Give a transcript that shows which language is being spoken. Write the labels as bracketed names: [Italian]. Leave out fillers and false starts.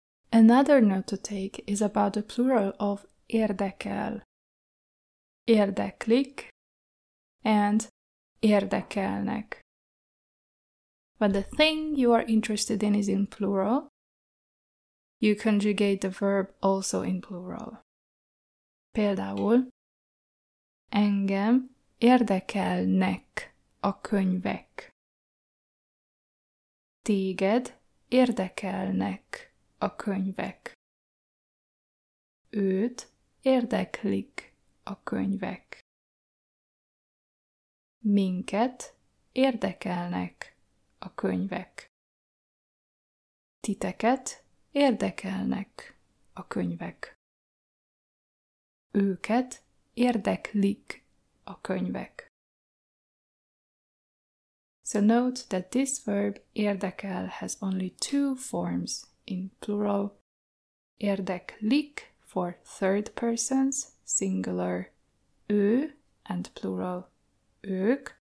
[English] Another note to take is about the plural of érdekel. [Hungarian] Érdeklik and érdekelnek. [English] When the thing you are interested in plural, you conjugate the verb also in plural. [Hungarian] Például, engem érdekelnek a könyvek. Téged érdekelnek a könyvek. Őt érdeklik a könyvek. Minket érdekelnek a könyvek. Titeket érdekelnek a könyvek. Őket érdeklik a könyvek. [English] So note that this verb érdekel has only two forms in plural. Érdeklik for third persons, singular, ő and plural, ők.